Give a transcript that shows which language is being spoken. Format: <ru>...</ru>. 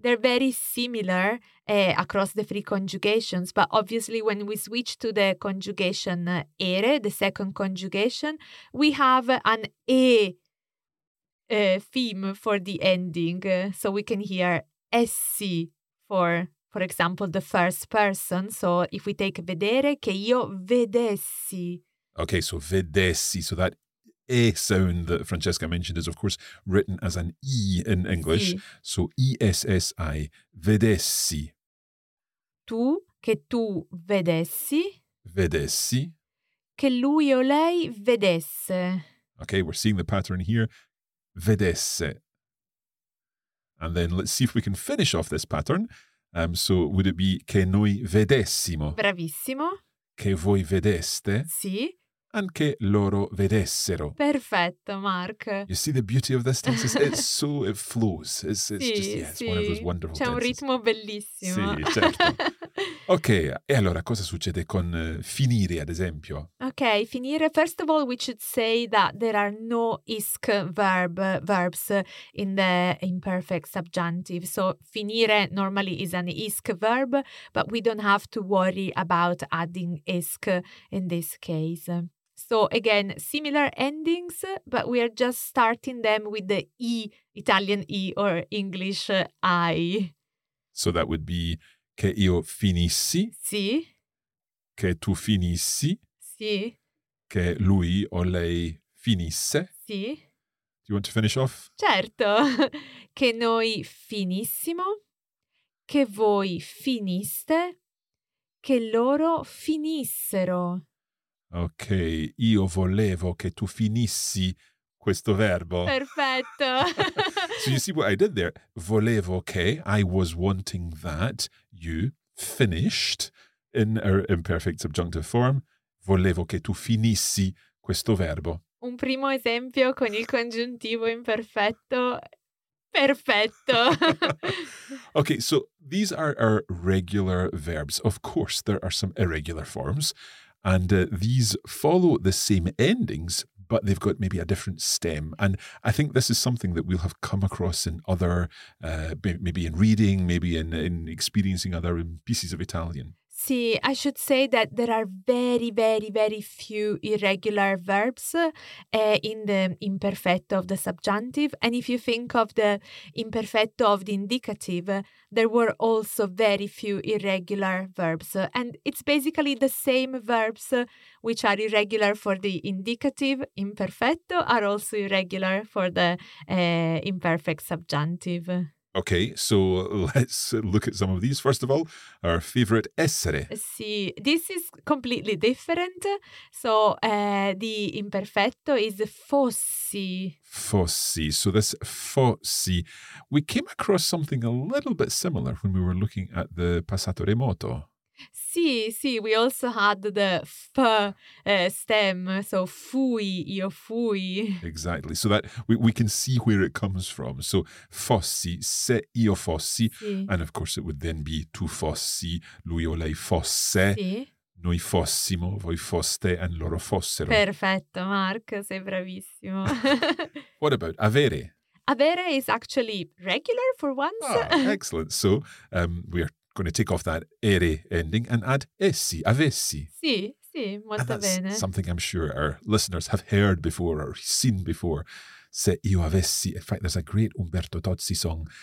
<en>They're very similar across the three conjugations, but obviously when we switch to the conjugation ere, the second conjugation, we have an e theme for the ending. So we can hear essi for example, the first person. So if we take vedere,</en> <it>che io vedessi.</it> <en>Okay, so vedessi. So that E sound that Francesca mentioned is, of course, written as an E in English. Si. So E-S-S-I, vedessi.</en> <it>Tu, che tu vedessi. Vedessi. Che lui o lei vedesse.</it> <en>Okay, we're seeing the pattern here. Vedesse. And then let's see if we can finish off this pattern. So would it be</en> <it>che noi vedessimo? Bravissimo. Che voi vedeste? Sì. And che loro vedessero? Perfetto, Mark.</it> <en>You see the beauty of this tense? It's so, it flows. It's one of those wonderful</en> <it>tenses. C'è un ritmo bellissimo. Sì, certo. Ok, e allora cosa succede con finire, ad esempio? Ok, finire.</it> <en>First of all, we should say that there are no isk verbs in the imperfect subjunctive. So finire normally is an isk verb, but we don't have to worry about adding isk in this case. So again, similar endings, but we are just starting them with the E, Italian E or English I. So that would be...</en> <it>Che io finissi. Sì. Che tu finissi. Sì. Che lui o lei finisse. Sì.</it> <en>Do you want to finish off?</en> <it>Certo. Che noi finissimo. Che voi finiste. Che loro finissero. Ok. Io volevo che tu finissi questo verbo. Perfetto.</it> <en>So you see what I did there.</en> <it>Volevo che,</it> <en>I was wanting that, you finished in our imperfect subjunctive form.</en> <it>Volevo che tu finissi questo verbo. Un primo esempio con il congiuntivo imperfetto. Perfetto.</it> <en>Okay, so these are our regular verbs. Of course, there are some irregular forms. And these follow the same endings, but they've got maybe a different stem. And I think this is something that we'll have come across in other, maybe in reading, maybe in experiencing other pieces of Italian. Sì, I should say that there are very, very, very few irregular verbs in the imperfetto of the subjunctive. And if you think of the imperfetto of the indicative, there were also very few irregular verbs. And it's basically the same verbs which are irregular for the indicative imperfetto are also irregular for the imperfect subjunctive. Okay, so let's look at some of these. First of all, our favorite, essere. Sì, this is completely different. So the imperfetto is fossi.</en> <it>Fossi.</it> <en>So this fossi, we came across something a little bit similar when we were looking at the passato remoto. Sì, we also had the f stem, so fui,</en> <it>io fui.</it> <en>Exactly, so that we can see where it comes from.</en> <it>So fossi, se io fossi, sì.</it> <en>And of course it would then be</en> <it>tu fossi, lui o lei fosse, sì. Noi fossimo, voi foste, and loro fossero. Perfetto, Mark, sei bravissimo.</it> <en>What about avere? Avere is actually regular for once. Ah, excellent, so we are going to take off that ere ending and add essi, avessi.</en> <it>Sì, molto</it> <en>and that's</en> <it>bene.</it> <en>Something I'm sure our listeners have heard before or seen before.</en> <it>Se io avessi.</it> <en>In fact, there's a great Umberto Tozzi song.</en>